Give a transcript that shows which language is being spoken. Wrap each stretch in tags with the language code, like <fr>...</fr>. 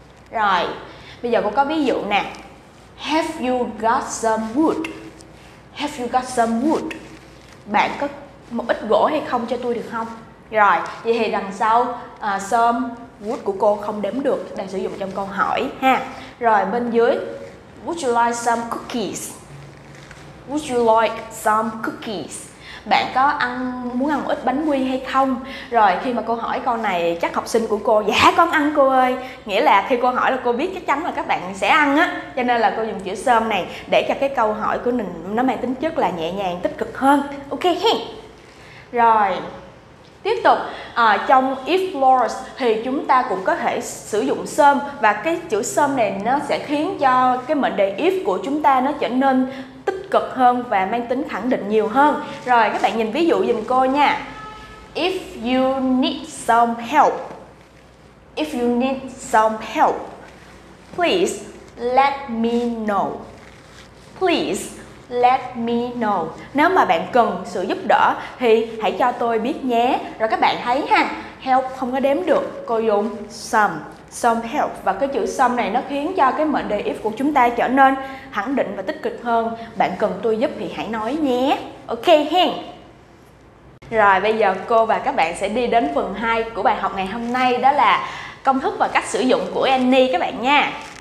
<vi>Rồi, bây giờ cũng có ví dụ nè.</vi> <en>Have you got some wood? Have you got some wood?</en> <vi>Bạn có một ít gỗ hay không cho tôi được không? Rồi, vậy thì đằng sau some wood của cô không đếm được, đang sử dụng trong câu hỏi ha. Rồi bên dưới,</vi> <en>would you like some cookies? Would you like some cookies?</en> <vi>Bạn có muốn ăn một ít bánh quy hay không? Rồi khi mà cô hỏi câu này, chắc học sinh của cô dạ con ăn cô ơi. Nghĩa là khi cô hỏi là cô biết chắc chắn là các bạn sẽ ăn á. Cho nên là cô dùng chữ some này để cho cái câu hỏi của mình nó mang tính chất là nhẹ nhàng, tích cực hơn. Ok hi. Rồi tiếp tục, trong if floors thì chúng ta cũng có thể sử dụng some. Và cái chữ some này nó sẽ khiến cho cái mệnh đề if của chúng ta nó trở nên tích cực hơn và mang tính khẳng định nhiều hơn. Rồi các bạn nhìn ví dụ giùm cô nha.</vi> <en>If you need some help, if you need some help, please let me know. Please let me know.</en> <vi>Nếu mà bạn cần sự giúp đỡ thì hãy cho tôi biết nhé. Rồi các bạn thấy ha, help không có đếm được, cô dùng some help. Và cái chữ some này nó khiến cho cái mệnh đề if của chúng ta trở nên khẳng định và tích cực hơn. Bạn cần tôi giúp thì hãy nói nhé. Ok hen. Rồi bây giờ cô và các bạn sẽ đi đến phần 2 của bài học ngày hôm nay, đó là công thức và cách sử dụng của any các bạn nha.</vi>